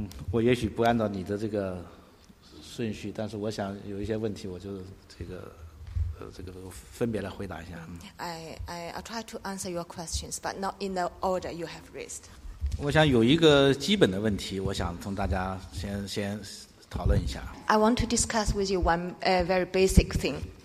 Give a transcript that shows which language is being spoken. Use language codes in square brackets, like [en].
[zh] 我也许不按照你的这个 [en] I'll try to answer your questions, but not in the order you have raised. [zh] 我想有一个基本的问题，我想从大家先讨论一下。 [en] I want to discuss with you one very basic thing.